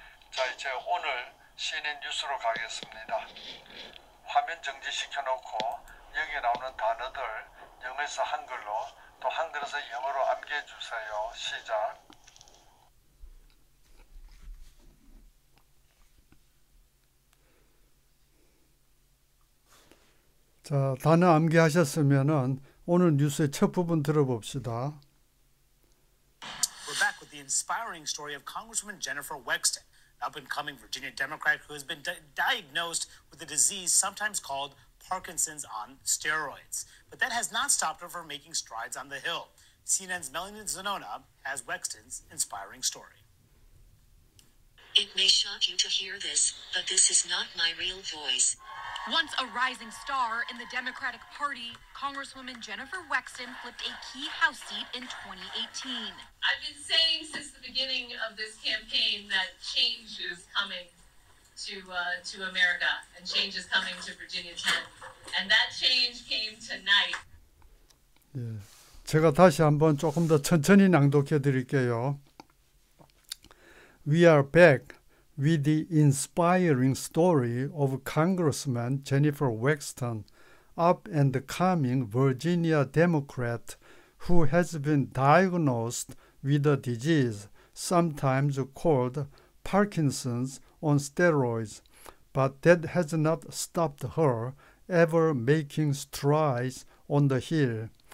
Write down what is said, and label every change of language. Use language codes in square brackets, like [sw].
[ko] 자, 이제 오늘 [en] CNN [ko] 뉴스로 가겠습니다. 화면 정지시켜놓고 여기 나오는 단어들 영어에서 한글로 또 한글에서 영어로 암기해 주세요. 시작. 자, 단어 암기하셨으면은 오늘 뉴스의 첫 부분 들어봅시다. [en] We're back with the inspiring story of Congresswoman Jennifer Wexton, an up-and-coming Virginia Democrat who has been diagnosed with a disease sometimes called Parkinson's on steroids. But that has not stopped her from making strides on the Hill. CNN's Melanie Zanona has Wexton's inspiring story. It may shock you to hear this, but this is not my real voice. Once a rising star in the Democratic Party, Congresswoman Jennifer Wexton flipped a key House seat in 2018. I've been saying since the beginning of this campaign that change is coming to America, and change is coming to Virginia 10. And that change came tonight. [ko] 예, 제가 다시 한번 조금 더 천천히 낭독해 드릴게요. [en] We are back with the inspiring story of Congresswoman Jennifer Wexton, up and coming Virginia Democrat who has been diagnosed with a disease sometimes called Parkinson's on steroids, but that has not stopped her ever making strides on the Hill.